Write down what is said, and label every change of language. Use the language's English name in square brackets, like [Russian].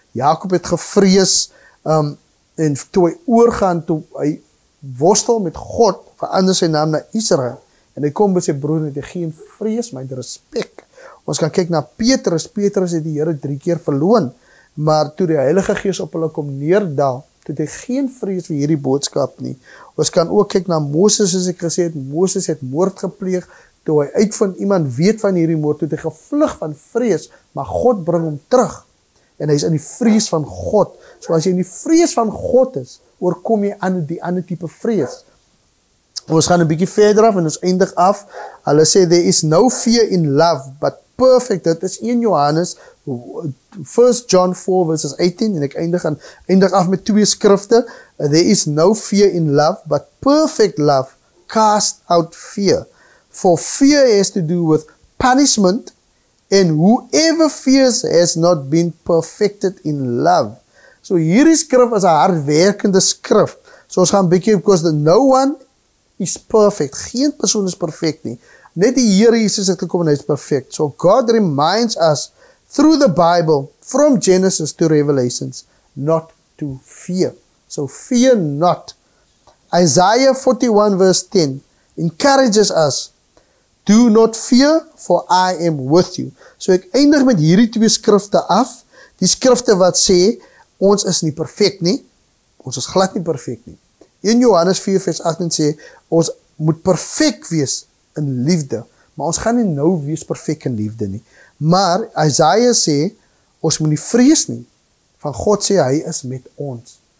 [Afrikaans] Jacob het gevrees, en toe hy oorgaan, toe hy worstel met God, verander sy naam naar Israël. En hy kom by sy broer en het geen vrees, maar het respect. Ons kan kyk na Petrus. Petrus het die Here 3 keer verloon. Maar toe die Heilige Gees op hulle kom neerdaal, toe het hy geen vrees vir hierdie boodskap nie. Ons kan ook kyk na Moses, soos ek gesê het. Moses het moord gepleeg, toe hy uit van iemand weet van hierdie moord, toe het hy gevlug van vrees, maar God bring hom terug. En hy is in die vrees van God. So as jy in die vrees van God is, oorkom jy aan die ander type vrees. Ons gaan een bykie verder af en ons eindig af. Hulle sê, [English] there is no fear in love, but perfect. [Afrikaans] Dit is 1 Johannes, [English] 1 John 4 verses 18, [Afrikaans] en ek eindig af met twee skrifte. [English] There is no fear in love, but perfect love cast out fear. For fear has to do with punishment, and whoever fears has not been perfected in love. [Afrikaans] So hierdie skrif is een hardwerkende skrif. So ons gaan bykie, [English] because no one is perfect. [Afrikaans] Geen persoon is perfect nie. Net die Here Jesus het gekom en hy is perfect. [English] So God reminds us through the Bible, from Genesis to Revelations, not to fear. So fear not. Isaiah 41 verse 10 encourages us, do not fear, for I am with you. [Afrikaans] So ek eindig met hierdie twee skrifte af. Die skrifte wat sê, ons is nie perfect nie. Ons is glad nie perfect nie. In Johannes 4 vers 18 sê, ons moet perfect wees in liefde, maar ons gaan nie nou wees perfect in liefde nie. Maar Isaiah sê, ons moet nie vrees nie, van God sê, hy is met ons.